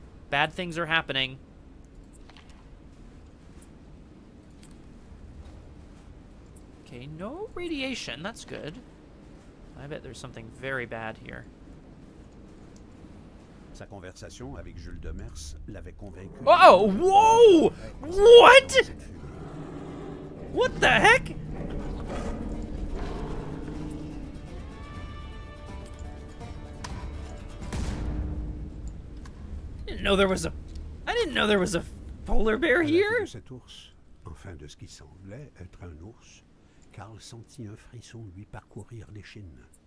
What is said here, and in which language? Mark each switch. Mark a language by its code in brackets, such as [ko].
[en] Bad things are happening. Okay, no radiation. That's good. I bet there's something very bad here. [fr] Sa conversation avec Jules Demers l'avait convaincu. [en] Oh, whoa! What? What the heck? I didn't know there was a polar bear here. [fr] Cet ours, enfin de ce qui semblait être un ours, Carl sentit un frisson lui parcourir l'échine.